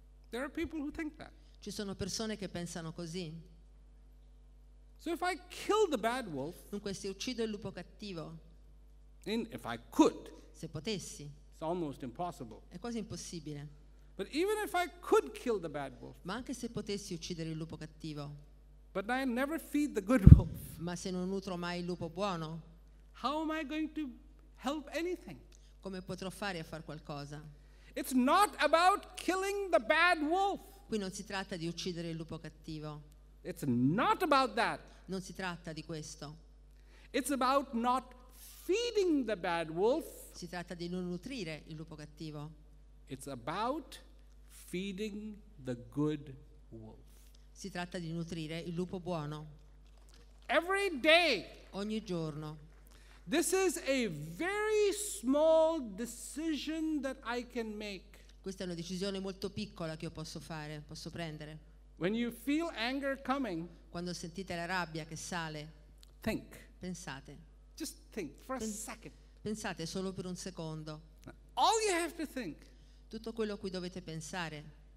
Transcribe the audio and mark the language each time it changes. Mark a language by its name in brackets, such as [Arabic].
[English] There are people who think that. [Italian] Ci sono persone che pensano così. [English] So if I kill the bad wolf. [Italian] Dunque se uccido il lupo cattivo. [English] And if I could. [Italian] Se potessi. [English] It's almost impossible. [Italian] È quasi impossibile. [English] But even if I could kill the bad wolf. [Italian] Ma anche se potessi uccidere il lupo cattivo. [English] But I never feed the good wolf. [Italian] Ma se non nutro mai il lupo buono. [English] How am I going to help anything? [Italian] Come potrò fare a far qualcosa? [English] It's not about killing the bad wolf. [Italian] Qui non si tratta di uccidere il lupo cattivo. [English] It's not about that. [Italian] Non si tratta di questo. [English] It's about not feeding the bad wolf. [Italian] Si tratta di non nutrire il lupo cattivo. [English] It's about feeding the good wolf. [Italian] Si tratta di nutrire il lupo buono. [English] Every day. [Italian] Ogni giorno. [English] This is a very small decision that I can make. [Italian] Questa è una decisione molto piccola che io posso fare, posso prendere. [English] When you feel anger coming. [Italian] Quando sentite la rabbia che sale. [English] Think. [Italian] Pensate. [English] Just think for a second. [Italian] Pensate solo per un secondo. [English] All you have to think. [Italian] Tutto quello a cui dovete pensare.